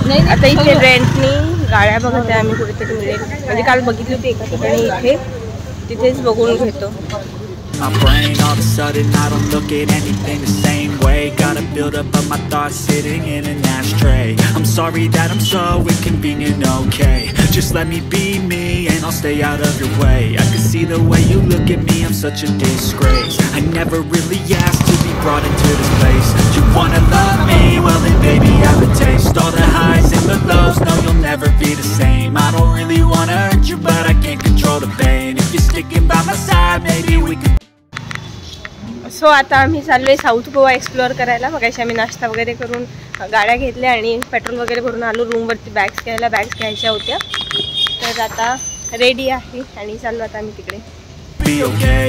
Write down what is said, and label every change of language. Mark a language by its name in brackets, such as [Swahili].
[Marathi] आता इथे रेंटनी गाड्या बघत आहे आम्ही कुठेतरी मिळेल, म्हणजे काल बघितली होती एका ठिकाणी इथे, तिथेच बघून घेतो. [English] My brain all of a sudden I don't look at anything the same way. Gotta build up of my thoughts sitting in an ashtray. I'm sorry that I'm so inconvenient, okay. Just let me be me and I'll stay out of your way. I can see the way you look at me, I'm such a disgrace. I never really asked to be brought into this place. You wanna love me, well then baby have a taste. All the highs and the lows, no you'll never be the same. I don't really wanna hurt you but I can't control the pain. If you're sticking by my side maybe we could. [Marathi] So आता आम्ही चाललो आहे south Goa explore करायला. मग अशी आम्ही नाश्ता वगैरे करून गाड्या घेतल्या आणि पेट्रोल वगैरे भरून आलो रूमवरती बॅग्स घ्यायला. बॅग्स घ्यायच्या होत्या तर आता रेडी आहे आणि चाललो आता आम्ही तिकडे.